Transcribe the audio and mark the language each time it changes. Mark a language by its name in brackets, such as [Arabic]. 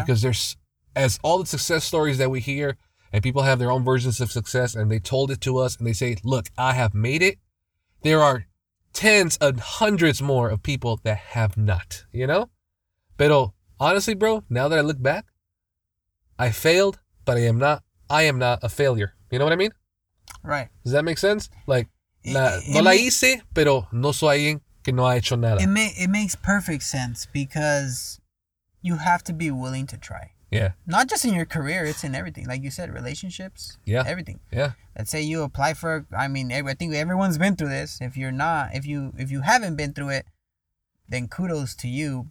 [English] Because there's, as all the success stories that we hear, and people have their own versions of success, and they told it to us, and they say, look, I have made it. There are tens of hundreds more of people that have not, you know? Pero honestly, bro, now that I look back, I failed, but I am not a failure. You know what I mean? Right. Does that make sense? [Spanish] Like, No la hice, pero no soy alguien que no ha hecho nada. [English] It makes perfect sense because you have to be willing to try. Yeah. Not just in your career, it's in everything. Like you said, relationships. Yeah. Everything. Yeah. Let's say you apply for, I mean, I think everyone's been through this. If you're not, if you haven't been through it, then kudos to you.